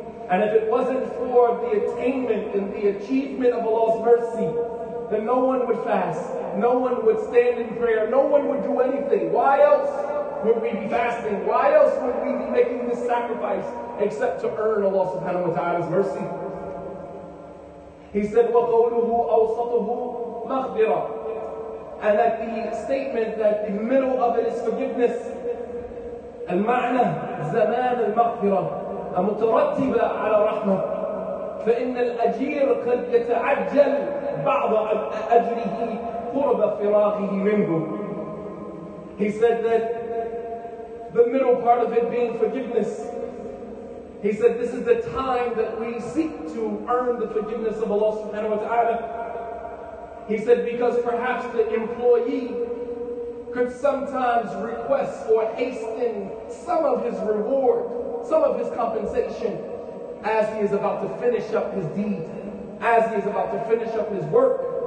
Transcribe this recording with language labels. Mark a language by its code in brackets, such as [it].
[en] And if it wasn't for the attainment and the achievement of Allah's mercy, then no one would fast, no one would stand in prayer, no one would do anything. Why else would we be fasting? Why else would we be making this sacrifice except to earn Allah subhanahu wa ta'ala's mercy? He said, [ar] وَقَوْلُهُ أَوْسَطُهُ مَغْبِرًا, [en] and that the statement that the middle of it is forgiveness, [ar] المعنى زمان المغفرة مترتبة على رحمة فإن الأجير قد يتعجل بعض أجره قرب فراغه منه. [en] He said that the middle part of it being forgiveness, he said this is the time that we seek to earn the forgiveness of Allah subhanahu wa ta'ala. He said, because perhaps the employee could sometimes request or hasten some of his reward, some of his compensation, as he is about to finish up his deed, as he is about to finish up his work.